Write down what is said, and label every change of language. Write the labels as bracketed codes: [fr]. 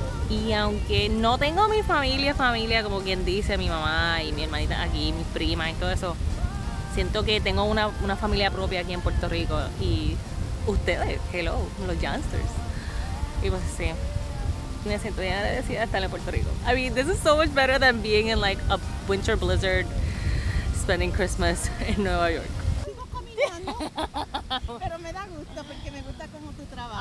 [es] Y aunque no tengo mi familia, como quien dice, mi mamá y mi hermanita aquí, mi prima y todo eso, siento que tengo una familia propia aquí en Puerto Rico. Y ustedes, hello, los youngsters. Y pues sí, me siento bien agradecida de estar en Puerto Rico. [en] I mean, this is so much better than being in like a winter blizzard, spending Christmas in Nueva York. [es] Sigo caminando, pero me da gusto porque me gusta cómo tú trabajas.